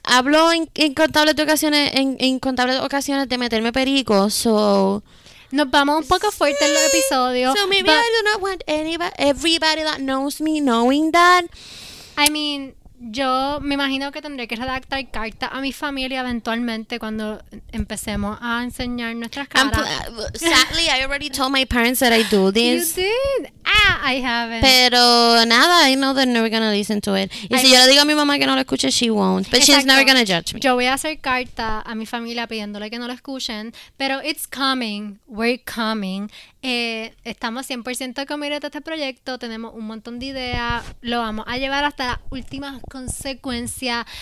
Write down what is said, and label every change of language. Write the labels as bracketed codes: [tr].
[es] Que hablo en incontables ocasiones de meterme perico. [en] So [es] nos vamos un poco fuerte en los episodios. [en] So maybe I do not want everybody that knows me knowing that. I mean, [es] yo me imagino que tendré que redactar cartas a mi familia eventualmente cuando empecemos a enseñar nuestras caras. [en] Sadly, I already told my parents that I do this. You did. Ah, I haven't. [es] Pero nada, [en] I know they're never gonna listen to it. [es] Y I si yo le digo a mi mamá que no lo escuche, [en] she won't. [es] But exacto. [en] She's never gonna judge me. [es] Yo voy a hacer carta a mi familia pidiéndole que no lo escuchen. [en] Pero it's coming. We're coming. [es] Estamos 100% [en] committed [es] a este proyecto. Tenemos un montón de ideas. Lo vamos a llevar hasta las últimas consecuencias.